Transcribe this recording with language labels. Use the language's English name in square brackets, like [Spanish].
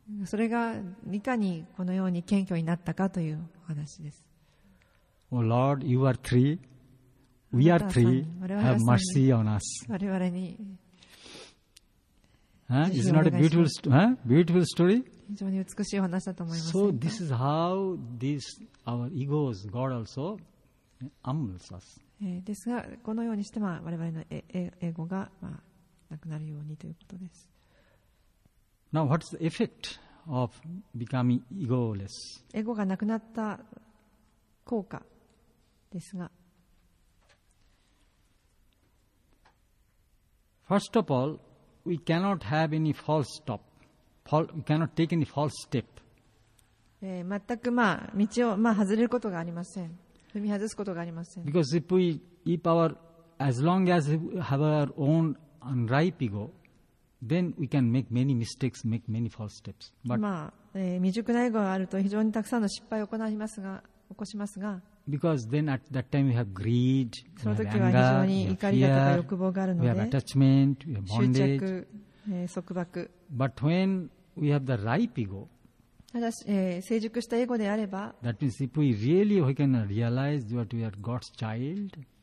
[Japanese] それがいかにこのように謙虚になったかという話です。 [English] お、oh、Lord, you are three. We are three. Have mercy on us. [Japanese] 我々に。 [English] Is not a beautiful, beautiful story? [Japanese] 非常に美しい話だと思います。 [English] So this is how this our egos, God also humbles us. [Japanese] ですがこのようにしても我々のエゴが、なくなるようにということです。 [English] Now, what's the effect of becoming egoless? [Japanese] エゴがなくなった効果ですが、 [English] First of all, we cannot have any false step. We cannot take any false step. [Japanese] 全く、道を、外れることがありません。踏み外すことがありません。 [English] Because if we keep our, as long as we have our own unripe ego,Then we can make many mistakes, make many false steps. [Japanese] But 未熟なエゴがあると非常にたくさんの失敗を行いますが、起こしますが。 [English] Because then at that time we have greed, [Japanese] その時は非常に怒りだとか欲望があるので、 [English] we have attachment, we have bondage, [Japanese] 執着、束縛。 [English] But when we have the ripe ego, [Japanese] ただし、成熟したエゴであれば、 [English] that means if we really we can realize what we are God's child,